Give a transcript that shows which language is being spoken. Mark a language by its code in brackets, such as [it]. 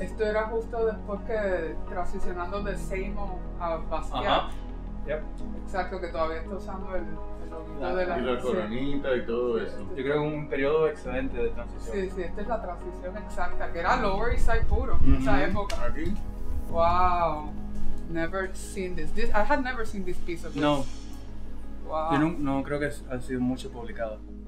[es] Esto era justo después que transicionando de Seymour a Basquiat. Ajá. Yep. Exacto, que todavía está usando el la, de la, y la coronita, sí, y todo eso. Yo creo que un periodo excelente de transición. Sí, esta es la transición exacta, que era Lower East Side puro en esa época. Aquí. Wow. [en] Never seen this. I had never seen this piece of this. [es] No. Wow. Yo no creo que ha sido mucho publicado.